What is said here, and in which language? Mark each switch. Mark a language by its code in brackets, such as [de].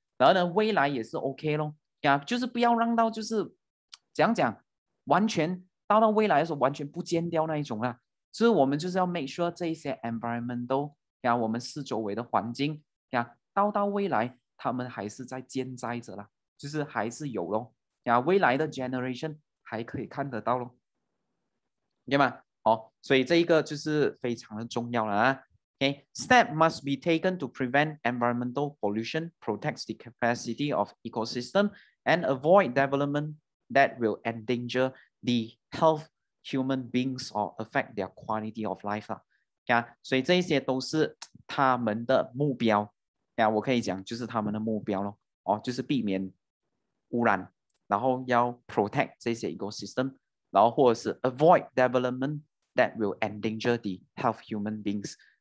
[zh] 然后呢，未来也是 OK 咯，呀，就是不要让到就是怎样讲，完全到未来的时候完全不见掉那一种啦。所以我们就是要 [en] make sure [zh] 这一些 environmental 呀，我们四周围的环境呀，到未来他们还是在健在着啦，就是还是有咯，呀，未来的 generation 还可以看得到咯，明白吗？哦，所以这一个就是非常的重要了啊。 [en] Okay, step must be taken to prevent environmental pollution, protect the capacity of ecosystem, and avoid development that will endanger the health human beings or affect their quality of life. [zh] 呀，所以这些都是他们的目标呀，我可以讲就是他们的目标咯，哦，就是避免污染，然后要 protect 这些 ecosystem， 然后或者是 [en] avoid development that will endanger the health human beings，